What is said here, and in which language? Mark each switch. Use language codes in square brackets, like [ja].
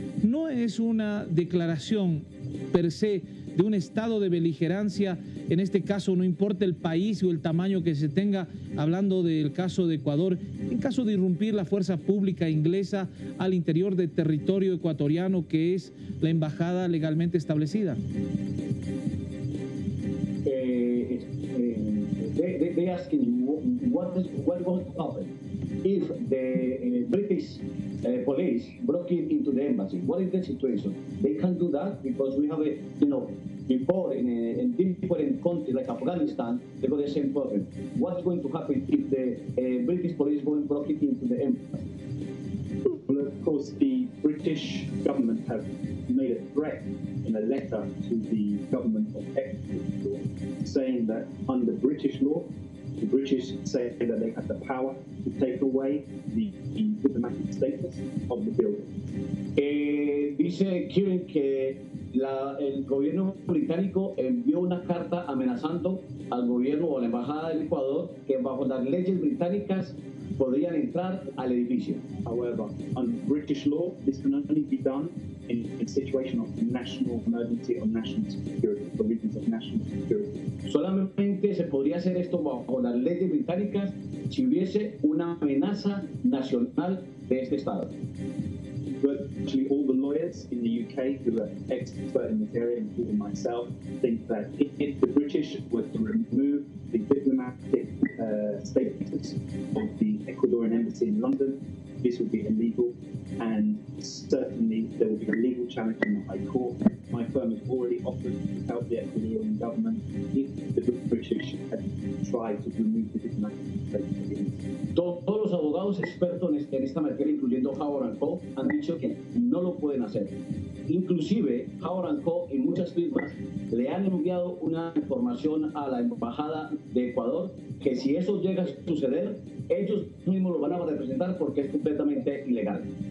[es] ¿No es una declaración per se de un estado de beligerancia, en este caso no importa el país o el tamaño que se tenga, hablando del caso de Ecuador, en caso de irrumpir la fuerza pública inglesa al interior del territorio ecuatoriano que es la embajada legalmente establecida? [en] They asking you, what going to happen if the British police broke into the embassy? What is the situation? They can do that because we have, before in different countries like Afghanistan, they got the same problem. What's going to happen if the British police going broke into the embassy? Well, of course, the British government have made a threat in a letter to the government of Ecuador, saying that under British law, the British say that they have the power to take away the diplomatic status of the building. [es] Dice Kieran que el gobierno británico envió una carta amenazando al gobierno o a la embajada del Ecuador que bajo las leyes británicas podrían entrar al edificio. [en] However, under British law, this can only be done in a situation of national emergency or national security, for reasons of national security. [es] Solamente se podría hacer esto bajo las leyes británicas si hubiese una amenaza nacional de este estado. [en] Virtually all the lawyers in the UK who are experts in this area, including myself, think that if the British were to remove the diplomatic status of the Ecuadorian embassy in London, this would be illegal, and certainly there would be a legal challenge in the High Court. My firm has already offered to help the Ecuadorian government if the British had tried to remove the diplomatic status of the embassy. [es] Todos los abogados expertos en esta materia, incluyendo Howard and Co, han dicho que no lo pueden hacer. Inclusive, Howard and Co y muchas firmas le han enviado una información a la embajada de Ecuador que si eso llega a suceder, ellos mismos lo van a representar porque es completamente ilegal.